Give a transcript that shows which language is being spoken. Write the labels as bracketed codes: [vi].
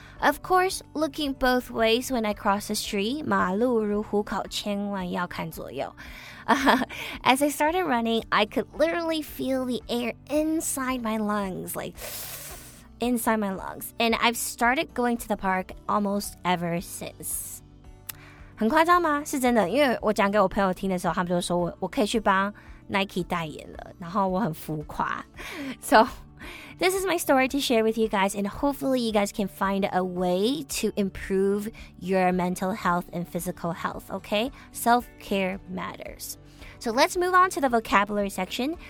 [en] Of course, looking both ways when I crossed the street, [zh] 马路如虎口，千万要看左右。 [en] As I started running, I could literally feel the air inside my lungs, like inside my lungs. And I've started going to the park almost ever since. [zh] 很夸张吗？是真的，因为我讲给我朋友听的时候，他们就说我可以去帮 Nike 代言了，然后我很浮夸。 [en] So, this is my story to share with you guys, and hopefully you guys can find a way to improve your mental health and physical health, okay? Self-care matters. So let's move on to the vocabulary section.